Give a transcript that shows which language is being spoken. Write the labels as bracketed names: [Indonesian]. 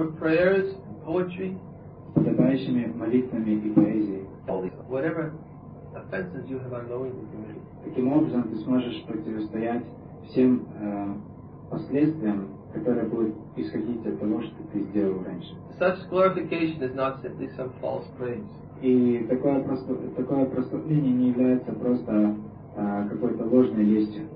[Russian] с подобающими молитвами и поэзией. [English] Whatever offenses you have unknowingly committed. [Russian] Таким образом, ты сможешь противостоять всем последствиям, которая будет исходить от того, что ты сделал раньше. [English] Such glorification is not simply some false praise. [Russian] И такое прославление не является просто какой-то ложной вестью.